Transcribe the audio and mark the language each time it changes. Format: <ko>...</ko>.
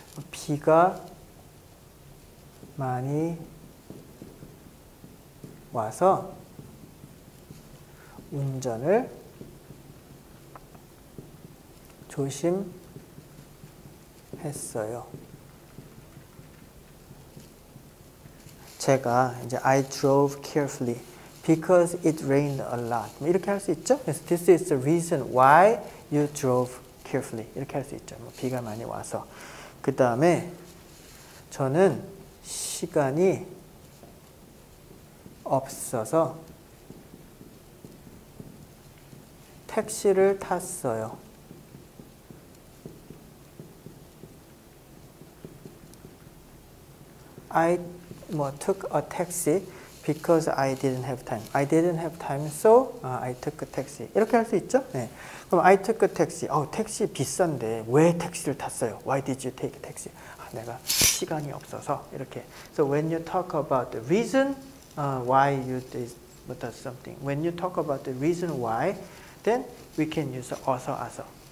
<ko>비가 많이 와서 운전을 조심했어요. 제가 이제</ko> <en>I drove carefully because it rained a lot.</en> <ko>이렇게 할수 있죠? 그래서</ko> <en>this is the reason why you drove carefully.</en> <ko>이렇게 할수 있죠. 비가 많이 와서. 그 다음에 저는 시간이 없어서 택시를 탔어요.</ko> <en>뭐, took a taxi because I didn't have time. I didn't have time, so I took a taxi.</en> <ko>이렇게 할수 있죠? 네. 그럼</ko> <en>I took a taxi.</en> <ko>택시 비싼데 왜 택시를 탔어요?</ko> <en>Why did you take a taxi?</en> <ko>내가 시간이 없어서 이렇게.</ko> <en>So when you talk about the reason why you did something, when you talk about the reason why, then we can use 어서 아서.</en>